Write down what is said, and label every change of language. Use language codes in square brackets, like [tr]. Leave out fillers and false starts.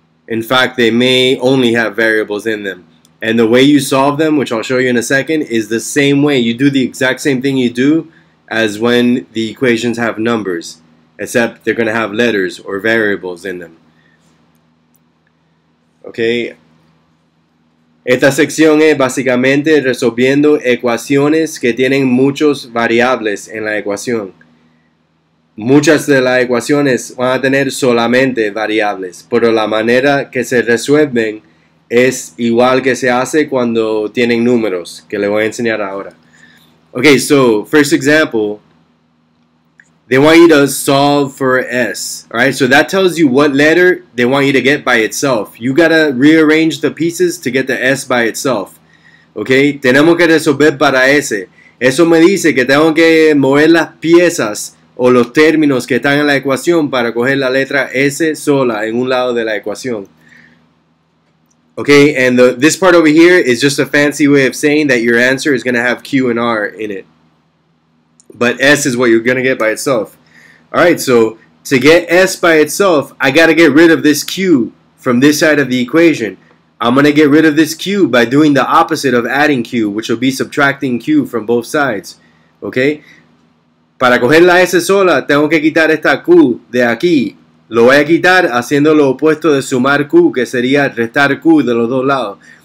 [en] In fact, they may only have variables in them. And the way you solve them, which I'll show you in a second, is the same way. You do the exact same thing you do as when the equations have numbers, except they're going to have letters or variables in them. Okay. [es] Esta sección es básicamente resolviendo ecuaciones que tienen muchos variables en la ecuación. Muchas de las ecuaciones van a tener solamente variables, pero la manera que se resuelven es igual que se hace cuando tienen números, que le voy a enseñar ahora. [en] Okay, so first example, they want you to solve for S, all right? So that tells you what letter they want you to get by itself. You gotta rearrange the pieces to get the S by itself, okay? [es] Tenemos que resolver para S. Eso me dice que tengo que mover las piezas o los términos que están en la ecuación para coger la letra S sola en un lado de la ecuación. [en] Okay, and this part over here is just a fancy way of saying that your answer is going to have Q and R in it. But S is what you're going to get by itself. All right, so to get S by itself, I got to get rid of this Q from this side of the equation. I'm going to get rid of this Q by doing the opposite of adding Q, which will be subtracting Q from both sides. [es] Okay, para coger la S sola, tengo que quitar esta Q de aquí. Lo voy a quitar haciendo lo opuesto de sumar Q, que sería restar Q de los dos lados.